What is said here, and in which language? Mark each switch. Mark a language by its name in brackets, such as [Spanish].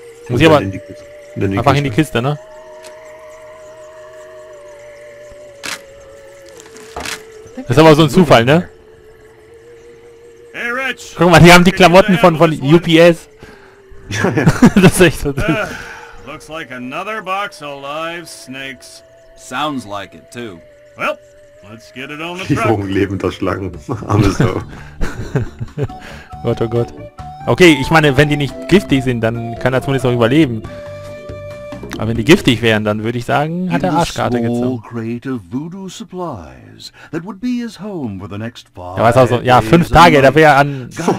[German] Muss ich aber einfach in die Kiste, ne? Das ist aber so ein Zufall, ne? Guck mal, die haben die Klamotten von UPS. Das ist echt so. [English] Looks like another box of live snakes. Sounds like it too. Well, let's get it on the truck. [German] Lebender Schlangen. Arme Sau. Gott, oh Gott. Okay, ich meine, wenn die nicht giftig sind, dann kann er zumindest auch überleben. Aber wenn die giftig wären, dann würde ich sagen, hat er Arschkarte gezogen. Ja, weißt du, so, ja, 5 Tage, da wäre er an...